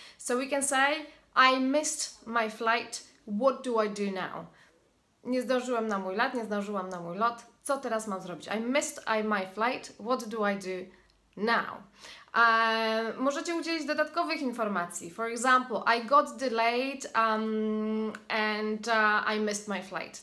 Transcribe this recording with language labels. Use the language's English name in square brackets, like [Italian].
[English] So we can say, I missed my flight. What do I do now? [Polish] Nie zdążyłem na mój lat, nie zdążyłam na mój lot. Co teraz mam zrobić? [English] I missed my flight. What do I do now? [Polish] Możecie udzielić dodatkowych informacji. [English] For example, I got delayed and I missed my flight.